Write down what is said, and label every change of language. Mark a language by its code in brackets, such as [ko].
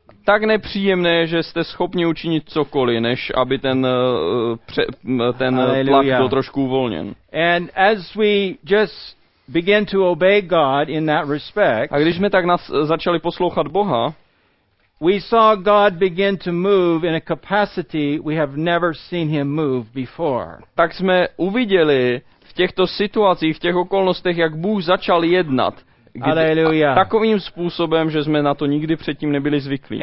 [cs] Tak nepříjemné, že jste schopni učinit cokoliv, než aby ten tlak byl trošku uvolněn. [en] And as we just begin to obey God in that respect. [cs] A když jsme tak začali poslouchat Boha, [en] we saw God begin to move in a capacity we have never seen him move before. [cs] Tak jsme uviděli v těchto situacích, v těch okolnostech, jak Bůh začal jednat. Aleluja. Takovým způsobem, že jsme na to nikdy předtím nebyli zvyklí.